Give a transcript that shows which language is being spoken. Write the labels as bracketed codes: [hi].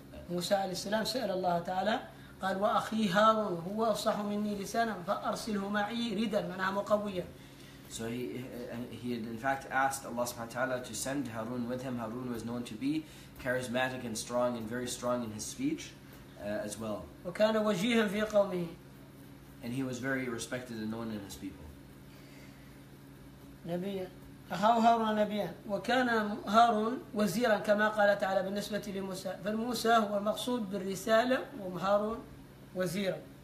[ar] موسى عليه السلام سأل الله تعالى قال وأخي هارون هو أفصح مني لسانا فأرسله معي ردا معناها مقويا. [en] So he had in fact asked Allah subhanahu wa ta'ala to send Harun with him. Harun was known to be charismatic and strong and very strong in his speech as well. [ar] وكان وجيها في قومه. [en] And he was very respected and known in his people. [ar] نبيا أخاه هارون نبيا وكان هارون وزيرا كما قال تعالى بالنسبة لموسى. فالموسى هو المقصود بالرسالة وهارون وزيرا.